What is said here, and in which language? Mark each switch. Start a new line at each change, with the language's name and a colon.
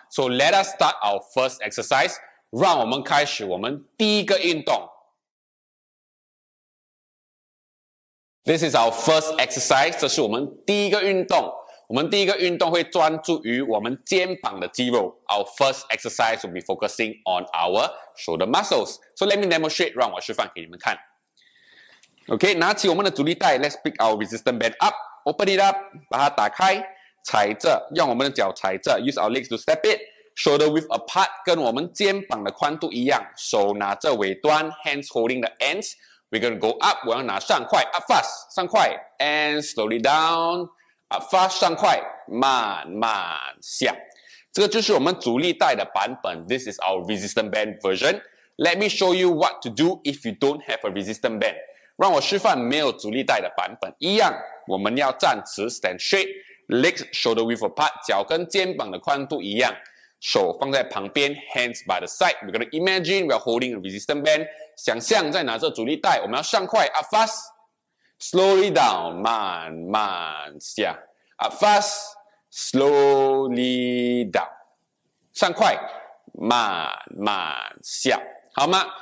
English: So let us start our first exercise.
Chinese: 让我们开始我们第一个运动。
English: This is our first exercise. 这是我们第一个运动。
Chinese: 我们第一个运动会专注于我们肩膀的肌肉。
English: Our first exercise will be focusing on our shoulder muscles.
Chinese: So let me demonstrate. 让我示范给你们看。Okay, 拿起我们的阻力带。
English: Let's pick our resistance band up. Open it up. 把它打开。踩着，用我们的脚踩着，use our legs to step it. Shoulder width apart，跟我们肩膀的宽度一样。手拿着尾端，hands holding the ends. We're gonna go up.
Chinese: 我要拿上快 ， up fast，上快 ， and slowly down. Up fast，上快，慢慢下。这个就是我们阻力带的版本。
English: This is our resistance band version. Let me show you what to do if you don't have a resistance band.
Chinese: 让我示范没有阻力带的版本。一样，我们要站直 ， stand straight。 Legs shoulder width apart，脚跟肩膀的宽度一样，手放在旁边 ， hands by the side。
English: We're gonna imagine we're holding a resistance band，想象在拿着阻力带，我们要上快，up fast，slowly down，慢慢下，up fast，slowly down，上快，慢慢下，好吗？